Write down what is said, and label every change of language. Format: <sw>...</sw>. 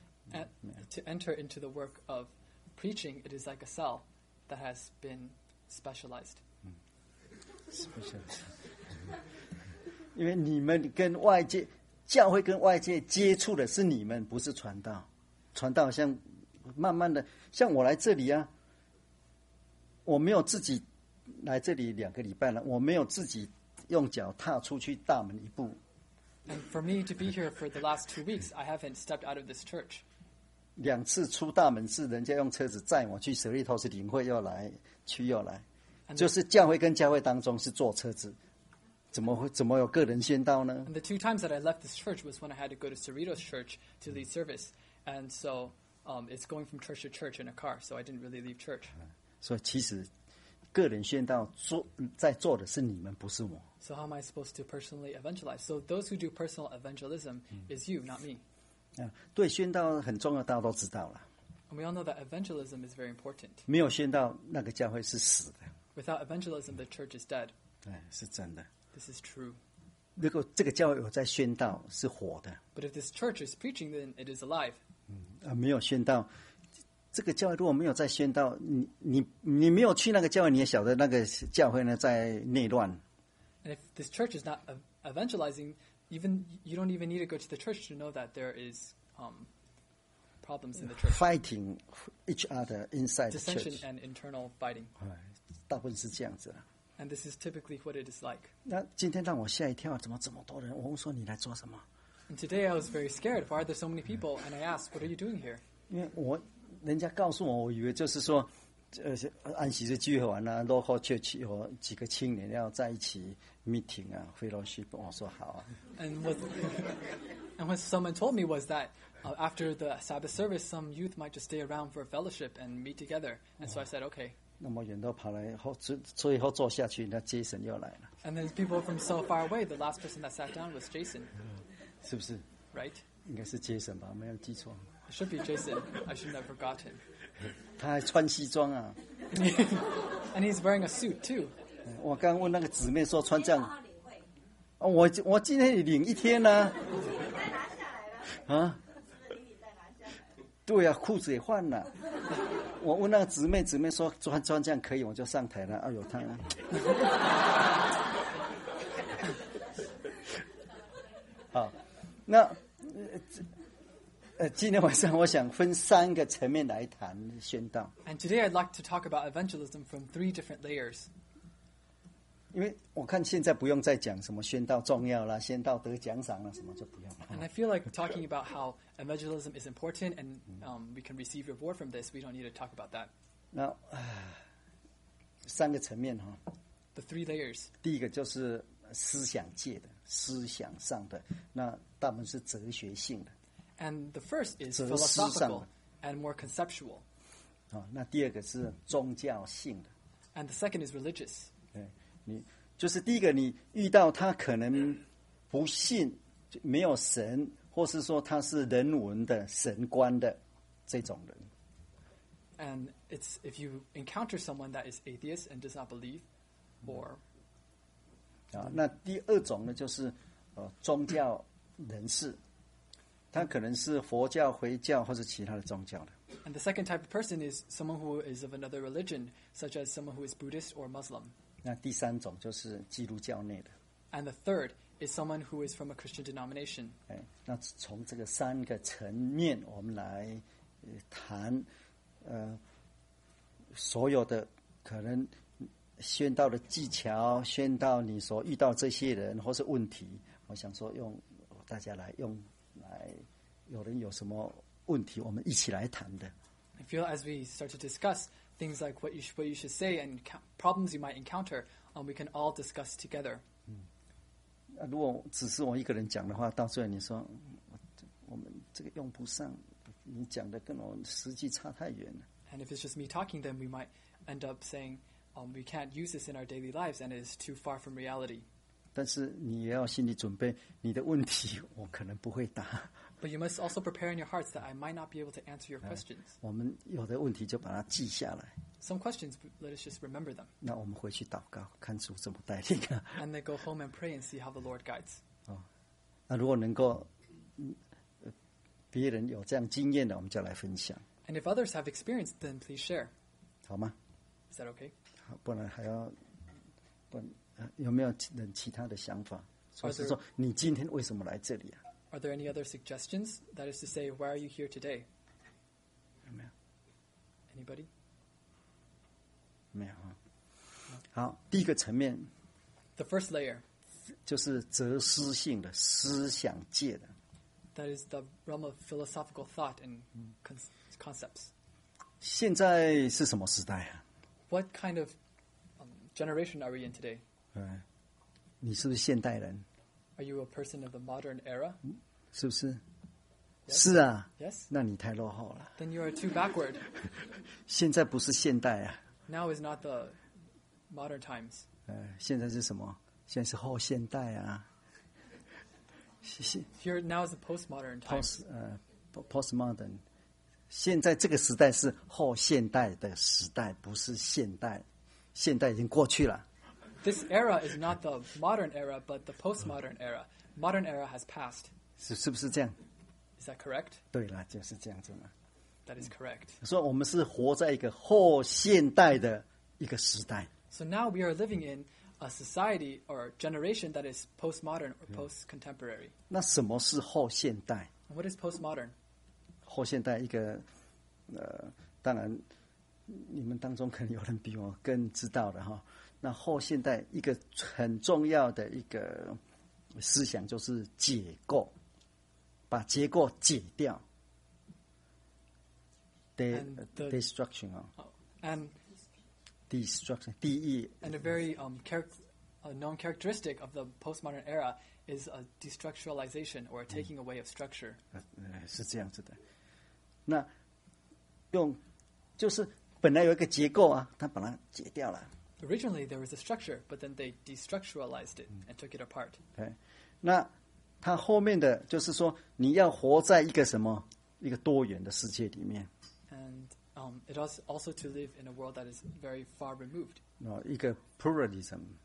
<en>To enter into the work of preaching, it is like a cell that has been specialized.</en> <zh>Specialized. 因为你们跟外界教会跟外界接触的是你们，不是传道。传道像慢慢的，像我来这里啊，我没有自己。来这里两个礼拜了，我没有自己用脚踏出去大门一步。</zh> <en>And for me to be here for the last 2 weeks, I haven't stepped out of this church.</en> <zh>两次出大门是人家用车子载我去，舍利托是领会要来，去要来，就是教会跟教会当中是坐车子，怎么有个人宣道呢</zh> <en>？And the two times that I left this church was when I had to go to Cerritos Church to lead service, and so it's going from church to church in a car, so I didn't really leave church.</en> <zh>所以其实。个人宣道在做的是你们，不是我。</zh> <en>So how am I supposed to personally evangelize? So those who do personal evangelism is you, not me.</en> <zh>对，宣道很重要，大家都知道了。</zh> <en>We all know that evangelism is very important.</en> <zh>没有宣道，那个教会是死的。</zh> <en>Without evangelism, the church is dead.</en> <zh>是真的。</zh> <en>This is true.</en> <zh>如果这个教会有在宣道，是活的。</zh> <en>But if this church is preaching, then it is alive.</en> <zh>没有宣道。这个教会如果没有在宣道，你没有去那个教会，你也晓得那个教会呢在内乱。</zh> <en>And if this church is not evangelizing, even you don't even need to go to the church to know that there is problems in the church. Fighting each other inside the church. Dissension and internal fighting.</en> <zh>大部分是这样子。</zh> <en>And this is typically what it is like.</en> <zh>那今天让我吓一跳，怎么这么多人？我问说你来做什么</zh> <en>？And today I was very scared. Why are there so many people? And I asked, "What are you doing here?"</en> <zh>因为我人家告诉我，我以为就是说，安息日聚会完了 ，local church 有几个青年要在一起 meeting 啊 ，fellowship， 我说好啊。</zh> <en>And what someone told me was that、after the Sabbath service, some youth might just stay around for a fellowship and meet together. And so I said, okay.</en> <zh>那么远都跑来后，最后坐下去，那 Jason 又来了。</zh> <en>And then people from so far away, the last person that sat down was Jason.</en> <zh>是不是</zh> <en>？Right.</en> <zh>应该是 Jason 吧，没有记错。</zh> <en>It should be Jason. I should have forgotten.</en> <zh>他还穿西装啊。</zh> <en>And he's wearing a suit too.</en> <zh>我刚问那个姊妹说穿这样。我今天领一天呢、啊。啊，对啊，裤子也换了。我问那个姊妹说穿这样可以，我就上台了。哎呦，他、啊。好，那今天晚上我想分三个层面来谈宣道。</zh> <en>And today I'd like to talk about evangelism from three different layers.</en> <zh>因为我看现在不用再讲什么宣道重要了，宣道得奖赏了，什么就不用了。</zh> <en>And I feel like talking about how evangelism is important and、we can receive reward from this. We don't need to talk about that.</en> <zh>那三个层面哈。</zh> <en>The three layers.</en> <zh>第一个就是思想界的，思想上的，那大部分是哲学性的。</zh> <en>And the first is philosophical and more conceptual.</en> <zh>啊，那第二个是宗教性的。</zh> <en>And the second is religious.</en> <zh>你就是第一个，你遇到他可能不信，没有神，或是说他是人文的神观的这种人。</zh> <en>And it's if you encounter someone that is atheist and does not believe, or</en> <zh>啊，那第二种呢，就是宗教人士，他可能是佛教、回教或是其他的宗教的。</zh> <en>And the second type of person is someone who is of another religion, such as someone who is Buddhist or Muslim.</en> <zh>那第三种就是基督教内的。</zh> <en>And the third is someone who is from a Christian denomination.</en> <zh>那从这个三个层面，我们来谈，所有的可能宣道的技巧，宣道你所遇到这些人或是问题，我想说用大家来用来，有人有什么问题，我们一起来谈的。</zh> <en>I feel as we start to discuss. Things like what you should say and problems you might encounter, we can all discuss together.</en> <zh>嗯，啊，如果只是我一个人讲的话，到最后你说我们这个用不上，你讲的跟我实际差太远了。</zh> <en>And if it's just me talking, then we might end up saying, we can't use this in our daily lives, and it is too far from reality.</en> <zh>但是你也要心理准备，你的问题我可能不会答。</zh> <en>But you must also prepare in your hearts that I might not be able to answer your questions.</en> <zh>我们有的问题就把它记下来。</zh> <en>Some questions, let us just remember them.</en> <zh>那我们回去祷告，看主怎么带领啊。</zh> <en>And then go home and pray and see how the Lord guides.</en> <zh>那如果能够别人有这样经验的，我们就来分享。</zh> <en>And if others have experience, then please share.</en> <zh>好吗</zh> <en>？Is that okay?</en> <zh>不然还要不有没有人其他的想法？所以是说，你今天为什么来这里啊？</zh> <en>Are there any other suggestions? That is to say, why are you here today? Anybody?</en> <zh>没有啊。好，第一个层面。</zh> <en>The first layer.</en> <zh>就是哲思性的思想界的。</zh> <en>That is the realm of philosophical thought and concepts.</en> <zh>现在是什么时代啊？</zh> <en>What kind of generation are we in today?</en> <zh>你是不是现代人？</zh> <en>Are you a person of the modern era?</en> <zh>是不是？</zh> <en>Yes?</en> <zh>是啊。</zh> <en>Yes.</en> <zh>那你太落后了。</zh> <en>Then you are too backward.</en> <zh>现在不是现代啊。</zh> <en>Now is not the modern times.</en> <zh>现在是什么？现在是后现代啊。</zh> <en>Here now is the postmodern times. Postmodern.</en> <zh>现在这个时代是后现代的时代，不是现代。现代已经过去了。</zh> <en>This era is not the modern era, but the postmodern era. Modern era has passed.</en> <zh>是不是这样？</zh> <en>Is that correct?</en> <zh>对啦，就是这样子嘛。</zh> <en>That is correct.</en> <zh>所以我们是活在一个后现代的一个时代。</zh> <en>So now we are living in a society or generation that is postmodern or post-contemporary.</en> <zh>那什么是后现代？</zh> <en>What is postmodern?</en> <zh>后现代一个，当然，你们当中可能有人比我更知道的哈。那后现代一个很重要的一个思想就是解构，把结构解掉 destruction 啊、</zh> <en>oh, And destruction. De. And a very known characteristic of the postmodern era is a destructuralization or a taking away of structure.</en> <zh>是这样子的。那用就是本来有一个结构啊，它把它解掉了。</zh> <en>Originally there was a structure, but then they destructuralized it and took it apart.</en> <zh>对，那它后面的就是说你要活在一个什么一个多元的世界里面。</zh> <en>It also to live in a world that is very far removed.</en> <zh>No, 一个 pluralism.</zh>